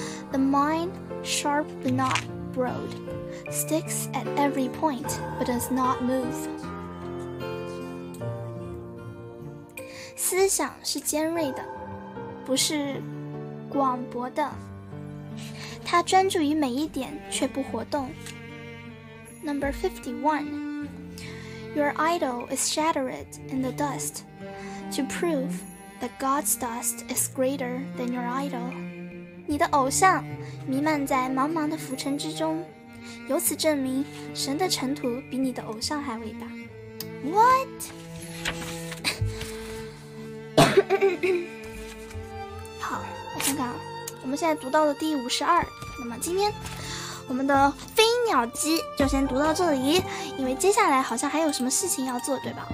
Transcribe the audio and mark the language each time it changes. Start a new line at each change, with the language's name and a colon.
English: The mind, sharp but not broad, sticks at every point but does not move.
Chinese: 思想是尖锐的，不是广博的，它专注于每一点却不活动。
English: Number 51. Your idol is shattered in the dust to prove that God's dust is greater than your idol.
Chinese: 你的偶像弥漫在茫茫的浮尘之中，由此证明神的尘土比你的偶像还伟大。
English: What？
Chinese: 好，我看看，我们现在读到了第52。那么今天我们的飞鸟集就先读到这里，因为接下来好像还有什么事情要做，对吧？